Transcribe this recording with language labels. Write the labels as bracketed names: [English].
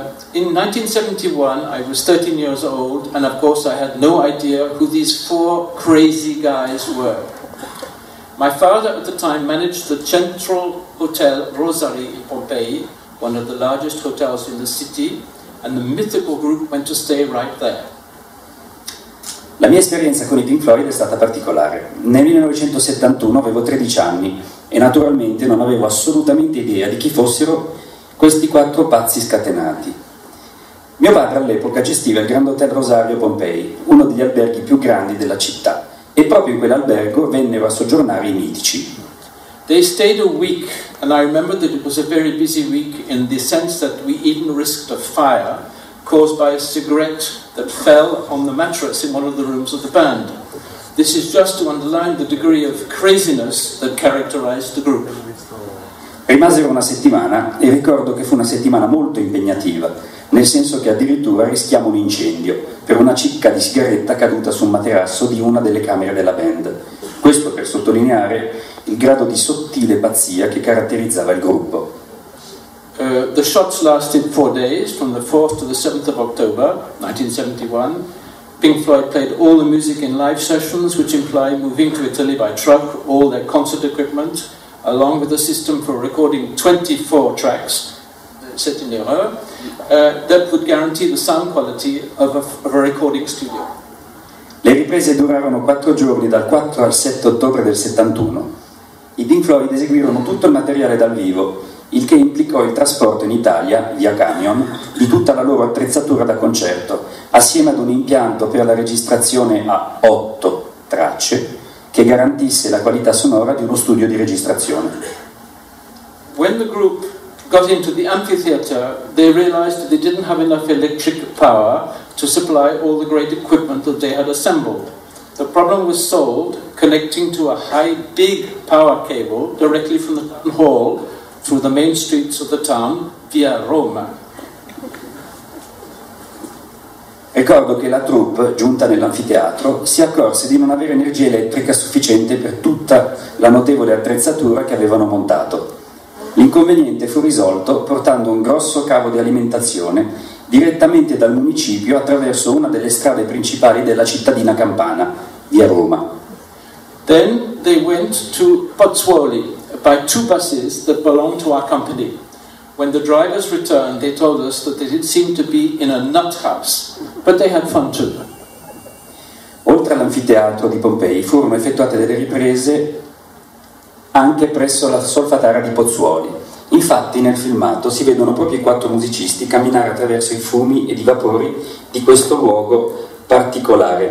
[English] In 1971 I was 13 years old and of course I had no idea who these four crazy guys were. My father at the time managed the Central Hotel Rosary in Pompeii, one of the largest hotels in the city, and the mythical group went to stay right there. [Italian] La mia esperienza con i Pink Floyd è stata particolare. Nel 1971 avevo 13 anni e naturalmente non avevo assolutamente idea di chi fossero questi quattro pazzi scatenati. Mio padre all'epoca gestiva il Grand Hotel Rosario Pompei, uno degli alberghi più grandi della città, e proprio in quell'albergo vennero a soggiornare i mitici. [English] They stayed a week and I remember that it was a very busy week in the sense that we even risked a fire caused by a cigarette that fell on the mattress in one of the rooms of the band. This is just to underline the degree of craziness that characterized the group. [Italian] Rimasero una settimana e ricordo che fu una settimana molto impegnativa, nel senso che addirittura rischiamo un incendio per una cicca di sigaretta caduta su un materasso di una delle camere della band. Questo per sottolineare il grado di sottile pazzia che caratterizzava il gruppo. [English] The shots lasted 4 days, from the 4th to the 7th of October, 1971. Pink Floyd played all the music in live sessions, which imply moving to Italy by truck, all their concert equipment, along with a system for recording 24 tracks, [French] c'est une erreur, [English] that would guarantee the sound quality of a recording studio. [Italian] Le riprese durarono 4 giorni, dal 4 al 7 ottobre del 71. I Pink Floyd eseguirono tutto il materiale dal vivo, il che implicò il trasporto in Italia, via camion, di tutta la loro attrezzatura da concerto, assieme ad un impianto per la registrazione a 8 tracce, che garantisse la qualità sonora di uno studio di registrazione. [English] When the group got into the amphitheater, they realized they didn't have enough electric power to supply all the great equipment that they had assembled. The problem was solved connecting to a high, big power cable directly from the town hall through the main streets of the town via Roma. [Italian] Ricordo che la troupe, giunta nell'anfiteatro, si accorse di non avere energia elettrica sufficiente per tutta la notevole attrezzatura che avevano montato. L'inconveniente fu risolto portando un grosso cavo di alimentazione direttamente dal municipio attraverso una delle strade principali della cittadina campana, via Roma. [English] Then they went to Pozzuoli by 2 buses that belonged to our company. When the drivers returned, they told us that they seemed to be in a nut house, but they had fun too. [Italian] Oltre all'anfiteatro di Pompei, furono effettuate delle riprese anche presso la solfatara di Pozzuoli. Infatti, nel filmato si vedono proprio i 4 musicisti camminare attraverso i fumi e i vapori di questo luogo particolare.